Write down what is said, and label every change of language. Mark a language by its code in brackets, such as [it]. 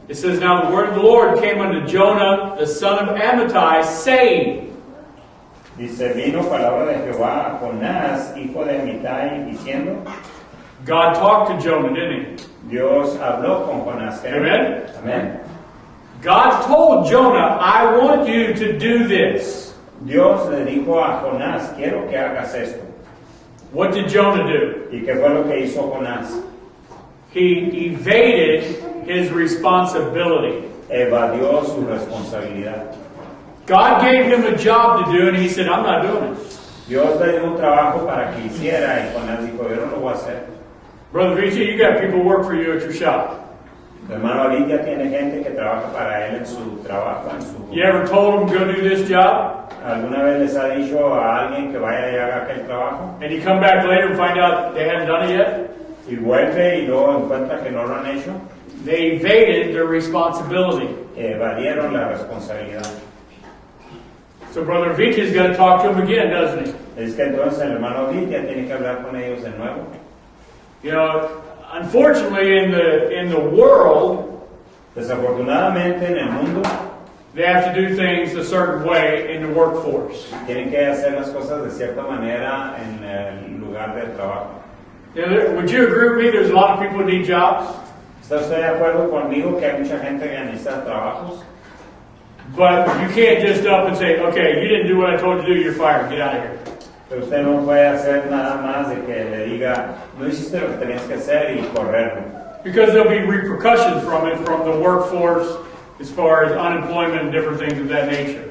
[en] it says, now the word of the Lord came unto Jonah, the son of Amittai, saying, [es] dice, vino palabra de Jehová a Jonás, hijo de Amittai, diciendo, [en] God talked to Jonah, didn't he? [es] Dios habló con Jonás. [en] Amen. [es] Amen. [en] God told Jonah, I want you to do this. [es] Dios le dijo a Jonás, quiero que hagas esto. [en] What did Jonah do? [es] ¿Y qué fue lo que hizo Jonás? [en] He evaded his responsibility. [es] Evadió su responsabilidad. [en] God gave him a job to do, and he said, "I'm not doing it." [es] Dios le dio un trabajo para que hiciera, y cuando él dijo, "Yo no lo voy a hacer." [en] Brother Vici, you got people work for you at your shop. [es] Hermano Vici tiene gente que trabaja para él en su trabajo, en su. [en] You ever told him go do this job? [es] ¿Alguna vez les ha dicho a alguien que vaya y haga aquel trabajo? [en] And you come back later and find out they haven't done it yet? [es] Y vuelve y luego encuentra que no lo han hecho. [en] They evaded their responsibility. [es] Evadieron la responsabilidad. [en] So Brother Vici is going to talk to him again, doesn't he? [es] Es que entonces el hermano Vici tiene que hablar con ellos de nuevo. [en] You know, unfortunately in the world, [es] desafortunadamente en el mundo, [en] they have to do things a certain way in the workforce. [es] Tienen que hacer las cosas de cierta manera en el lugar del trabajo. [en] Would you agree with me? There's a lot of people who need jobs. [es] ¿Estás de acuerdo conmigo que hay mucha gente que necesita trabajos? [en] But you can't just up and say, "Okay, you didn't do what I told you to do. You're fired. Get out of here." [es] Pero usted no puede hacer nada más de que le diga, no hiciste lo que tenías que hacer y correrlo. [en] Because there'll be repercussions from it, from the workforce, as far as unemployment and different things of that nature.